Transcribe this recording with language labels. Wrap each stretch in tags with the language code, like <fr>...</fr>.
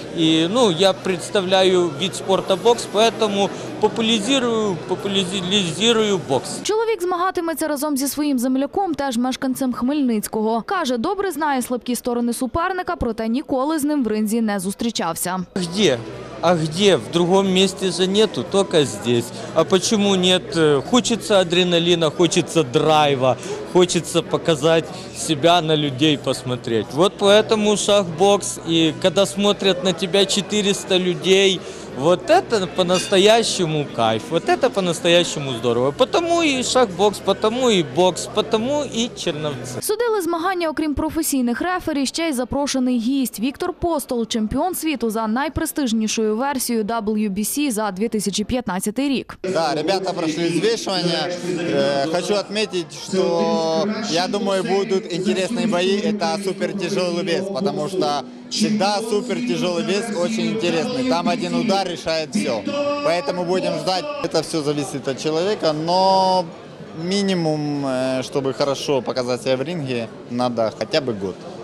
<uk>І я представляю від спорту бокс, тому популяризую бокс. Чоловік змагатиметься разом зі своїм земляком, теж мешканцем Хмельницького. Каже, добре знає слабкі сторони суперника, проте ніколи з ним в ринзі не зустрічався.</uk> <ru>Где? А где? В другом месте же нету, только здесь. А почему нет? Хочется адреналина, хочется драйва, хочется показать себя на людей, посмотреть. Вот поэтому шахбокс, и когда смотрят на тебя 400 людей, вот это по-настоящему кайф, вот это по-настоящему здорово. Потому и шахбокс, потому и черновцы.</ru> <uk>Судили змагання, окрім професійних рефері, ще й запрошений гість. Віктор Постол – чемпіон світу за найпрестижнішою версією WBC за 2015 рік. Так, ребята пройшли взвішування. Хочу відмітити, що, я думаю, будуть інтересні бої. Це супертяжелий вес, тому що завжди супертяжелий вес дуже цікавий.</uk> <ru>Там один удар решает все. Поэтому будем ждать. Это все зависит от человека, но минимум, чтобы хорошо показать себя в ринге, надо хотя бы год.</ru>